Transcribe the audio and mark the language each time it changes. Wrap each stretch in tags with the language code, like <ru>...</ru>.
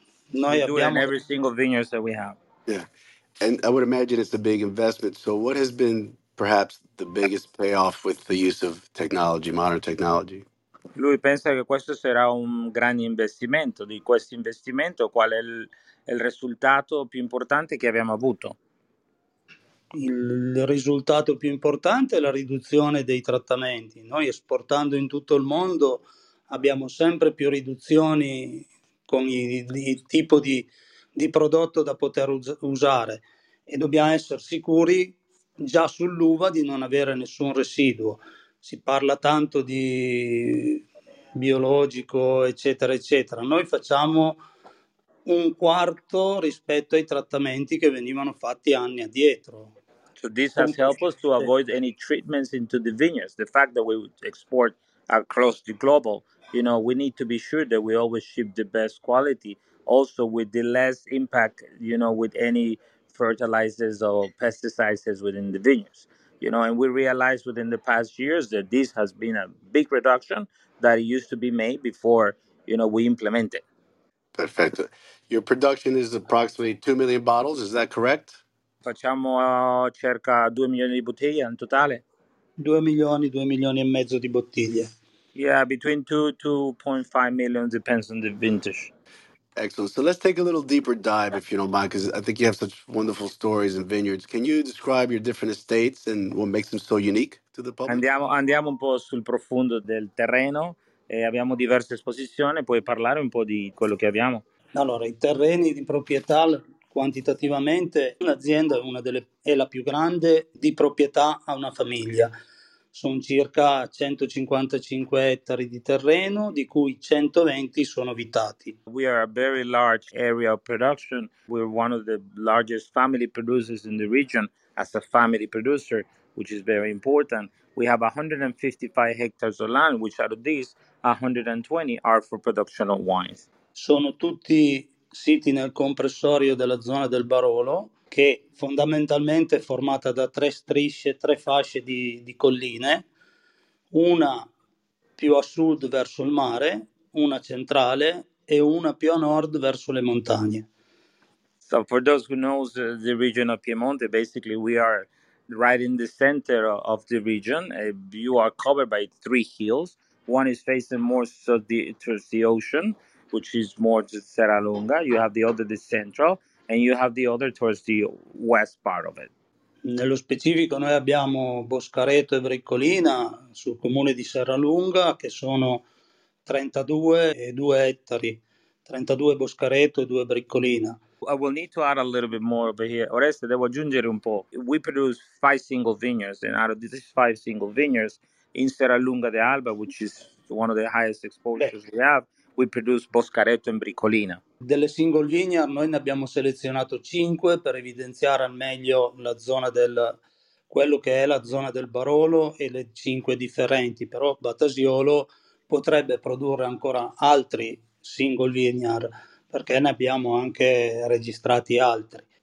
<it>Noi abbiamo...</it> <en>doing every single vineyard that we have. Yeah, and I would imagine it's a big investment. So what has been perhaps the biggest payoff with the use of technology, modern technology?</en> <it>Lui pensa che questo sarà un grande investimento. Di questo investimento, qual è il risultato più importante che abbiamo avuto? Il risultato più importante è la riduzione dei trattamenti. Noi esportando in tutto il mondo abbiamo sempre più riduzioni con il tipo di prodotto da poter usare e dobbiamo essere sicuri già sull'uva di non avere nessun residuo. Si parla tanto di biologico, eccetera, eccetera. Noi facciamo un quarto rispetto ai trattamenti che venivano fatti anni addietro.</it> <en>So this has helped us to avoid any treatments into the vineyards. The fact that we export across the global, you know, we need to be sure that we always ship the best quality, also with the less impact, you know, with any fertilizers or pesticides within the vineyards, you know, and we realized within the past years that this has been a big reduction that it used to be made before, you know, we implemented.</en> <it>Perfetto.</it> <en>Your production is approximately 2 million bottles, is that correct?</en> <it>Facciamo circa 2 milioni di bottiglie in totale. 2 milioni e mezzo di bottiglie.</it> <en>Yeah, between 2-2.5 million, depends on the vintage. Excellent. So let's take a little deeper dive, if you don't mind, because I think you have such wonderful stories and vineyards. Can you describe your different estates and what makes them so unique to the public?</en> <it>Andiamo un po' sul profondo del terreno. E abbiamo diverse esposizioni. Puoi parlare un po' di quello che abbiamo? Allora, i terreni di proprietà, quantitativamente un'azienda è la più grande di proprietà a una famiglia. Sono circa 155 ettari di terreno, di cui 120 sono vitati.</it> <en>We are a very large area of production. We're one of the largest family producers in the region as a family producer, which is very important. We have 155 hectares of land, which out of these, 120 are for production of wines.</en> <it>Sono tutti siti nel comprensorio della zona del Barolo, che fondamentalmente è formata da tre strisce, tre fasce di colline, una più a sud verso il mare, una centrale e una più a nord verso le montagne.</it> <en>So for those who knows the region of Piemonte, basically we are right in the center of the region. You are covered by three hills. One is facing more towards the ocean, which is more to Serra Lunga. You have the other, the central, and you have the other towards the west part of it.</en> <it>Nello specifico noi abbiamo Boscareto e Bricolina sul comune di Serra Lunga, che sono 32 e 2 ettari, 32 Boscareto e 2 Bricolina.</it> <en>I will need to add a little bit more over here. Oreste,</en> <it>devo aggiungere un po'.</it> <en>We produce 5 single vineyards, and out of these 5 single vineyards, in Serra Lunga de Alba, which is one of the highest exposures we have, we produce Boscareto and Bricolina.</en> <it>Delle single vineyard noi ne abbiamo selezionato 5 per evidenziare al meglio la zona del quello che è la zona del Barolo e le 5 differenti, però Batasiolo potrebbe produrre ancora altri single vineyard perché ne abbiamo anche registrati altri.</it>